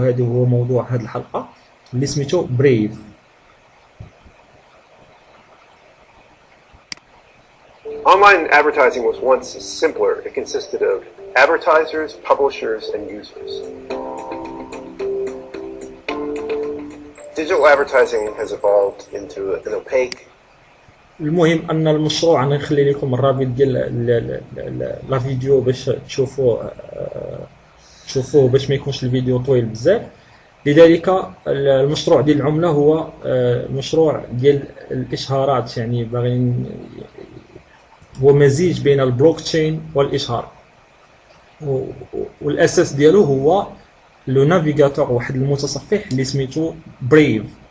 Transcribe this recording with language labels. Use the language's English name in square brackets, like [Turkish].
[Arabic] هذا هو موضوع هاد الحلقة اللي سميتو بريف. [English] Online advertising was once simpler. It consisted of advertisers, publishers, and users. Digital advertising has evolved into an opaque. [Arabic] المهم ان المشروع، انا نخلي لكم الرابط ديال لا فيديو باش تشوفوه باش ما يكونش الفيديو طويل بزاف. لذلك المشروع ديال العملة هو مشروع ديال الاشهارات، يعني باغيين ومزيج بين البلوك تشين والاشهار، والاساس ديالو هو لو نافيغاتور، واحد المتصفح اللي سميتو بريف.